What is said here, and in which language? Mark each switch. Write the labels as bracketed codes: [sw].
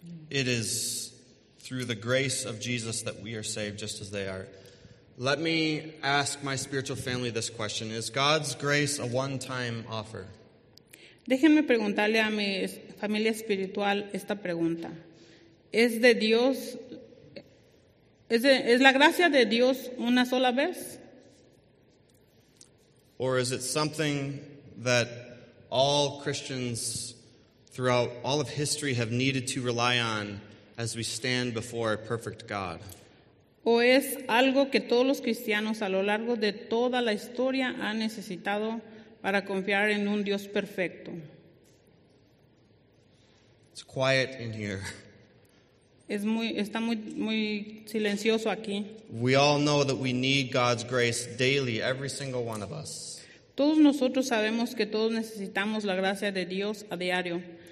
[en] It is through the grace of Jesus that we are saved just as they are. Let me ask my spiritual family this question. Is God's grace a one-time offer? [es] Déjenme preguntarle a mi familia espiritual esta pregunta. ¿Es de Dios? ¿Es la gracia de Dios una sola vez? [en] Or is it something that all Christians throughout all of history have needed to rely on as we stand before a perfect God? [es] ¿O es algo que todos los cristianos a lo largo de toda la historia han necesitado para confiar en un Dios perfecto? [en] It's quiet in here. [es] Está muy, muy silencioso aquí. [en] We all know that we need God's grace daily, every single one of us. [es] Todos nosotros sabemos que todos necesitamos la gracia de Dios a diario.